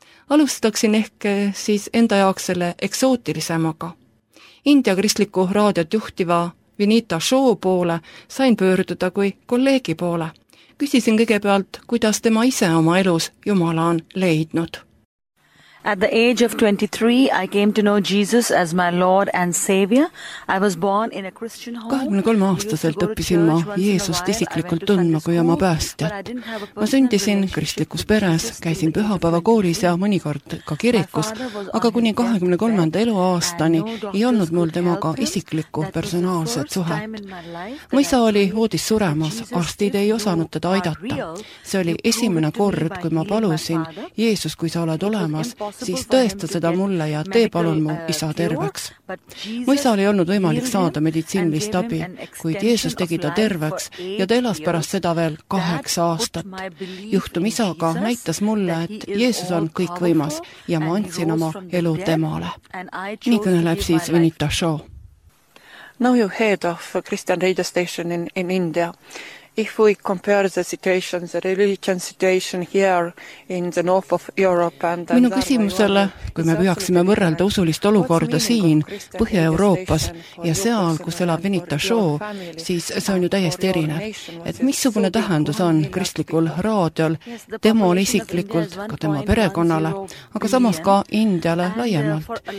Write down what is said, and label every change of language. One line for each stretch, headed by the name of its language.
Estonian: Alustaksin ehk siis enda jaoks selle eksootilisemaga. India kristliku raadiot juhtiva Vinita Shaw poole sain pöörduda kui kolleegi poole. Küsisin kõigepealt, kuidas tema ise oma elus Jumala on leidnud.
English: At the age of 23, I came to know Jesus as my Lord and Savior. I was born in a Christian home.
Estonian: 23 aastaselt õppisin ma Jeesust isiklikult tundma kui oma päästjat. Ma sündisin kristlikus peres, käisin pühapäeva koolis ja mõnikord ka kirikus, aga kuni 23. eluaastani ei olnud mul temaga isiklikku personaalset suhet. Mu isa oli voodis suremas, arstid ei osanud teda aidata. See oli esimene kord, kui ma palusin, Jeesus, kui sa oled olemas, siis tõesta seda mulle ja tee palun mu isa terveks. Mu isa oli olnud võimalik saada meditsiinilist abi, kuid Jeesus tegi ta terveks ja ta elas pärast seda veel 8 aastat. Juhtum isaga näitas mulle, et Jeesus on kõik võimas ja ma andsin oma elu temale. Nii kõneleb siis Vinita Shaw.
English: Now you head of Christian radio station in India. If we compare the situation, the religion situation here in the north of Europe and
Estonian: minu küsimusele, kui me püüaksime võrrelda usulist olukorda siin Põhja-Euroopas ja seal, kus elab Vinita Shaw, siis see on ju täiesti erine. Et missugune tähendus on kristlikul raadiol, temal isiklikult, ka tema perekonnale, aga samas ka Indiale laiemalt.